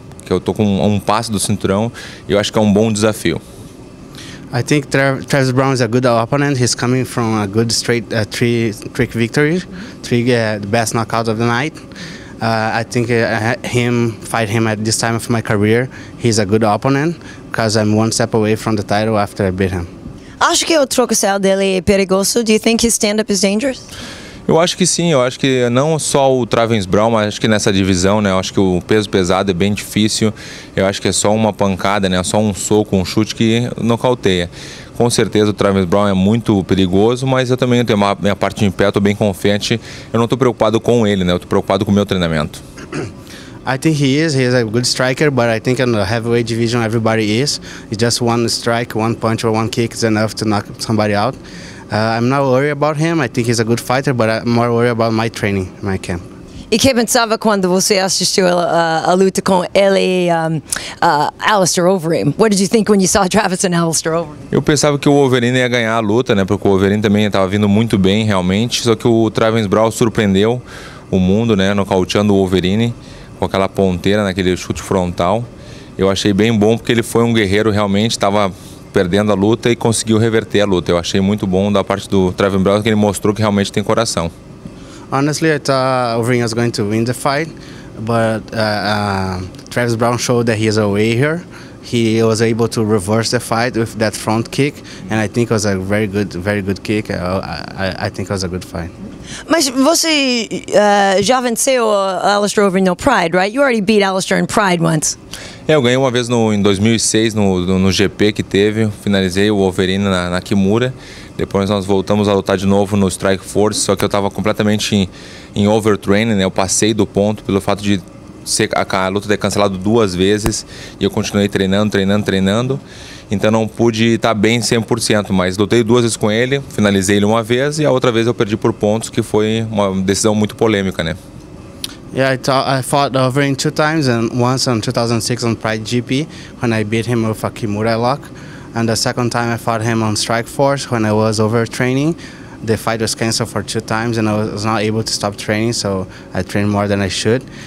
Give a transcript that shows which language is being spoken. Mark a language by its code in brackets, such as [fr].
[pt] Que eu tô com um passo do cinturão e eu acho que é um bom desafio. [en] I think Travis Browne is a good opponent. He's coming from a good straight three victory, the best knockout of the night. I think fight him at this time of my career, he's a good opponent because I'm one step away from the title after I beat him. [pt] Acho que o troco-céu dele é perigoso. [en] Do you think his stand-up is dangerous? [pt] Eu acho que sim. Eu acho que não só o Travis Browne, mas acho que nessa divisão, né? Eu acho que o peso pesado é bem difícil. Eu acho que é só uma pancada, né? Só um soco, um chute que nocauteia. Com certeza o Travis Browne é muito perigoso, mas eu também tenho minha parte em pé, estou bem confiante. Eu não estou preocupado com ele, né? Eu estou preocupado com o meu treinamento. [en] I think he is a good striker, but I think in the heavyweight division everybody is. It's just one strike, one punch or one kick is enough to knock somebody out. I'm not worried about him, I think he's a good fighter, but I'm more worried about my training, my camp. [pt] E que pensava quando você assistiu a luta com ele e Alistair Overeem? [en] What did you think when you saw Travis and Alistair Overeem? [pt] Eu pensava que o Overeem ia ganhar a luta, né? Porque o Overeem também estava vindo muito bem realmente, só que o Travis Browne surpreendeu o mundo, né? Nocauteando o Overeem com aquela ponteira, naquele chute frontal. Eu achei bem bom porque ele foi um guerreiro realmente, estava perdendo a luta e conseguiu reverter a luta. Eu achei muito bom da parte do Travis Browne, que ele mostrou que realmente tem coração. [en] Honestly, I thought Overeem was going to win the fight, but Travis Browne showed that he is away here. He was able to reverse the fight with that front kick, and I think it was a very good kick. I think it was a good fight. [pt] Mas você já venceu Alistair Overeem no Pride, [en] right? You already beat Alistair in Pride once. [pt] Eu ganhei uma vez em 2006, no GP que teve. Finalizei o Overeem na Kimura. Depois nós voltamos a lutar de novo no Strike Force, só que eu estava completamente em overtraining, né? Eu passei do ponto pelo fato de a luta ter cancelado duas vezes e eu continuei treinando. Então não pude estar bem 100%, mas lutei duas vezes com ele, finalizei ele uma vez e a outra vez eu perdi por pontos, que foi uma decisão muito polêmica, né? [en] Yeah, I fought Overeem two times, and once in 2006 on Pride GP, when I beat him with a Kimura lock. And the second time I fought him on Strike Force when I was overtraining. The fight was canceled for two times and I was not able to stop training, so I trained more than I should.